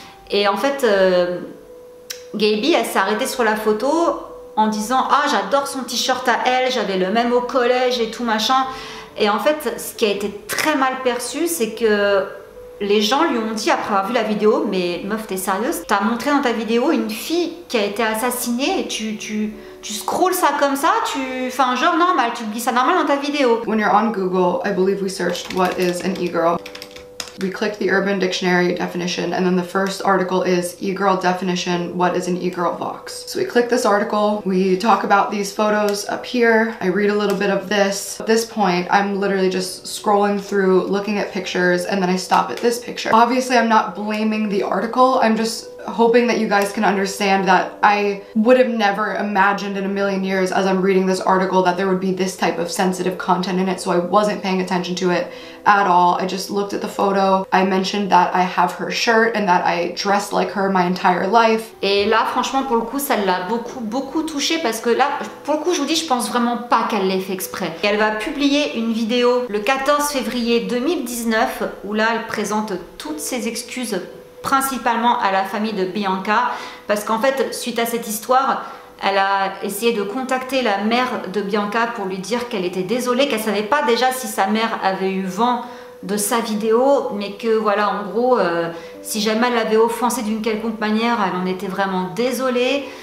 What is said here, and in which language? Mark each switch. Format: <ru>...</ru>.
<fr>Et en fait, Gaby, elle s'est arrêtée sur la photo en disant « Ah, j'adore son t-shirt à elle, j'avais le même au collège et tout machin. » Et en fait, ce qui a été très mal perçu, c'est que Les gens lui ont dit après avoir vu la vidéo, mais meuf, t'es sérieuse? T'as montré dans ta vidéo une fille qui a été assassinée et tu scrolles ça comme ça? Tu fais un genre normal, tu dis ça normal dans ta vidéo?</fr> <en>When you're on Google, I believe we searched what is an e-girl. We clicked the Urban Dictionary definition and then the first article is e-girl definition, what is an e-girl Vox. So we click this article, we talk about these photos up here, I read a little bit of this. At this point, I'm literally just scrolling through, looking at pictures, and then I stop at this picture. Obviously, I'm not blaming the article, I'm just hoping that you guys can understand that I would have never imagined in a million years as I'm reading this article that there would be this type of sensitive content in it, so I wasn't paying attention to it at all. I just looked at the photo. I mentioned that I have her shirt and that I dressed like her my entire life.</en> <fr>Et là, franchement, pour le coup, ça l'a beaucoup, beaucoup touchée parce que là, pour le coup, je vous dis, je pense vraiment pas qu'elle l'ait fait exprès. Et elle va publier une vidéo le 14 février 2019 où là, elle présente toutes ses excuses principalement à la famille de Bianca, parce qu'en fait, suite à cette histoire, elle a essayé de contacter la mère de Bianca pour lui dire qu'elle était désolée, qu'elle savait pas déjà si sa mère avait eu vent de sa vidéo, mais que voilà, en gros, si jamais elle l'avait offensée d'une quelconque manière, elle en était vraiment désolée.</fr>